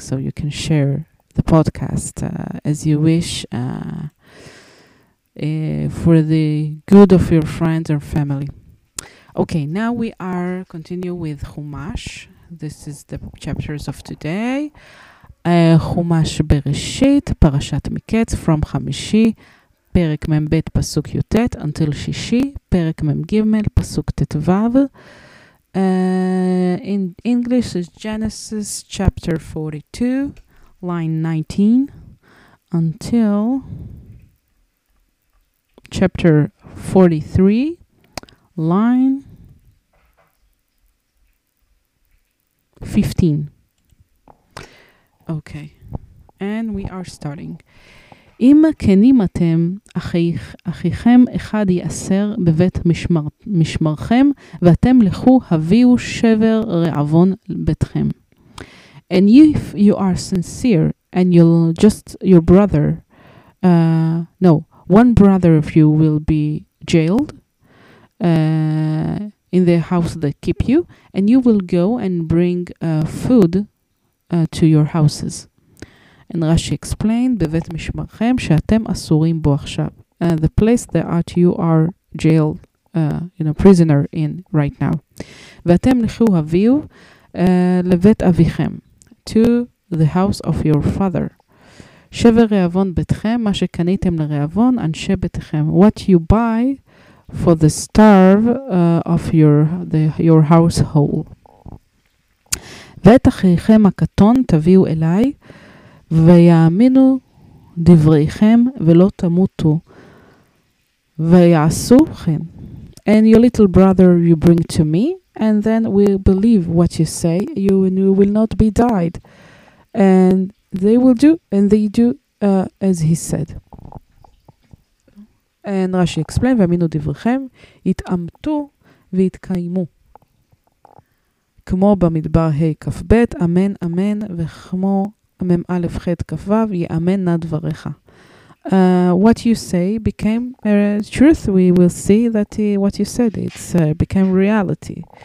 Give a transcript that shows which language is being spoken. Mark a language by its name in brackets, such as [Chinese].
[English] So you can share the podcast as you wish for the good of your friends or family. Okay, now we are continue with Chumash. This is the chapters of today. Chumash Bereshit, Parashat Miketz, from Chamishi, [Hebrew] פרק מ"ב פסוק י"ט, until שישי, פרק מ"ג פסוק ט"ו. [English] In English is Genesis chapter 42, line 19, until chapter 43, line 15. Okay, and we are starting. [Hebrew] אם כנים אתם, אחיכם אחד יאסר בבית משמרכם, ואתם לכו הביאו שבר רעבון ביתכם. [English] And if you are sincere, and you'll just your brother, no, one brother of you will be jailed in the house that keep you, and you will go and bring food to your houses. And Rashi explained, [Hebrew] בבית משמרכם, שאתם אסורים בו עכשיו. [English] The place that you are jailed, you know, prisoner in right now. [Hebrew] ואתם לכו הביאו לבית אביכם, [English] to the house of your father. [Hebrew] שבר רעבון ביתכם, מה שקניתם לרעבון, אנשי ביתכם. [English] What you buy for the starve of your household. [Hebrew] ואת אחיכם הקטון תביאו אליי, ויאמינו דבריכם ולא תמותו ויעשו כן. [English] And your little brother you bring to me, and then we believe what you say, you and you will not be died, and they will do, and they do as he said. And Rashi explained, [Hebrew] ויאמינו דבריכם, יתאמתו ויתקיימו, כמו במדבר ה-כ"ב, אמן אמן, וכמו מם א' ח' כ' ו' יאמן נא דבריך. [English] What you say became a truth. We will see that what you said, it's became reality.